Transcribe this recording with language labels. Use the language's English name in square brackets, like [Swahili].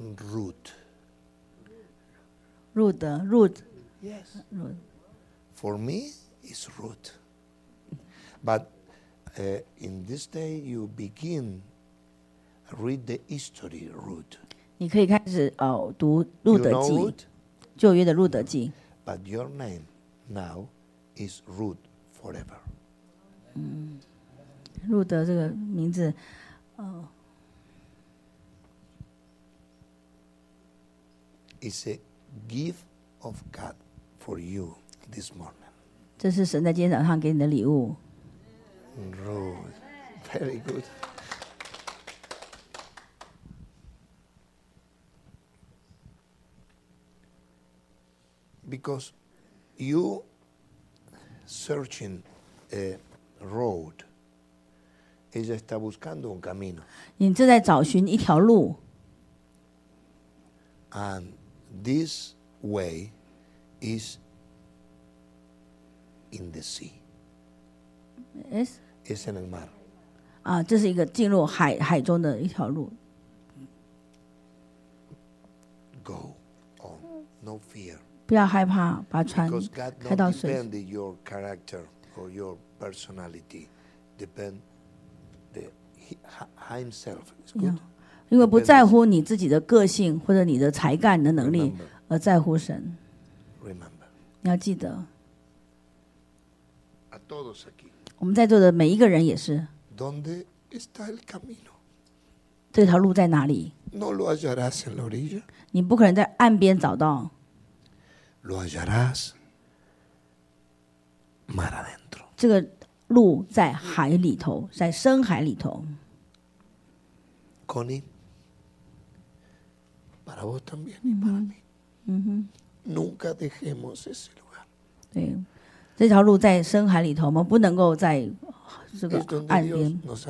[English] Ruth. Yes. Ruth. For me, it's Ruth. But in this day, you begin read the history, Ruth. [Chinese] 你可以开始读路德记，旧约的路德记。 [English] But your name now is Ruth forever. [Chinese] 路德这个名字， [English] It's a gift of God for you this morning. [Chinese] 这是神在今天早上给你的礼物。 [English] Ruth, very good. Because you searching a road, [Spanish] ella está buscando un camino. [Chinese] 你正在找寻一条路。 [English] And This way is in the sea. Yes. [Spanish] Es en el mar. [Chinese] 啊，这是一个进入海中的一条路。 [English] Go on, no fear. [Chinese] 不要害怕，把船开到水。 [English] Because God depends your character or your personality, depend the himself. It's good. [Chinese] 因为不在乎你自己的个性或者你的才干、你的能力。而在乎神 [English] Remember, [Chinese] 你要记得 [Spanish] a todos aquí, [Chinese] 我们在座的每一个人也是 [Spanish] ¿Dónde está el camino? [Chinese] 这条路在哪里 [Spanish] no lo hallarás en la orilla, [Chinese] 你不可能在岸边找到 [Spanish] lo hallarás mar adentro. [Chinese] 这个路在海里头在深海里头 [Spanish] Connie para vos también y para mí Nunca dejemos ese lugar. [Chinese] 对，这条路在深海里头，我们不能够在这个岸边。